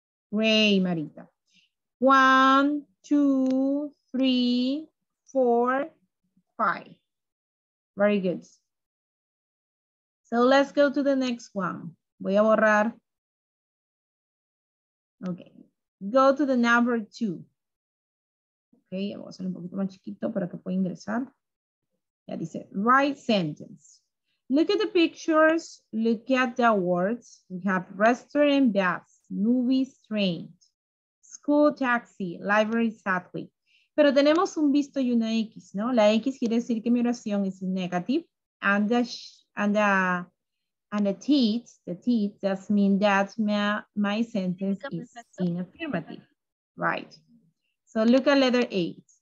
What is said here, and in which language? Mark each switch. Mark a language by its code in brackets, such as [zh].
[en] Great, Marita. 1, 2, 3, 4, 5. Very good. So let's go to the next one. [es] Voy a borrar. [en] Okay. Go to the number 2. [es] Okay, voy a hacer un poquito más chiquito para que pueda ingresar. Ya dice, [en] write sentence. Look at the pictures, look at the words. We have restaurant, bus, movies, train, school, taxi, library, subway. [es] Pero tenemos un visto y una X, ¿no? La X quiere decir que mi oración [en] is negative. And the T does mean that my sentence is in affirmative. Right. So look at letter A.